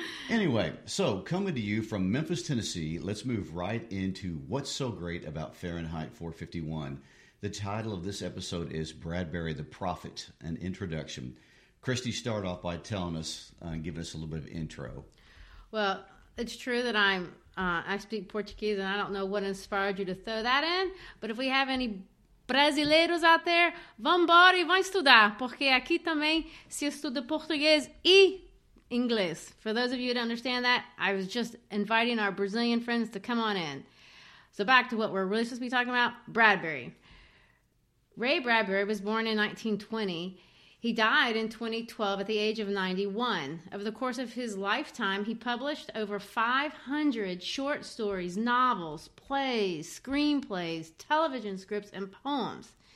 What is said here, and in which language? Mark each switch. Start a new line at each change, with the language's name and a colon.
English: Anyway, so coming to you from Memphis, Tennessee, let's move right into what's so great about Fahrenheit 451. The title of this episode is Bradbury the Prophet, an introduction. Christy, start off by telling us and giving us a little bit of intro. Well, it's true that I speak Portuguese, and I don't know what inspired you to throw that in. But if we have any brasileiros out there,
Portuguese: vambora e vão estudar, porque aqui também se estuda português e inglês.
English: For those of you who understand that, I was just inviting our Brazilian friends to come on in. So back to what we're really supposed to be talking about, Bradbury. Ray Bradbury was born in 1920. He died in 2012 at the age of 91. Over the course of his lifetime, he published over 500 short stories, novels, plays, screenplays, television scripts, and poems.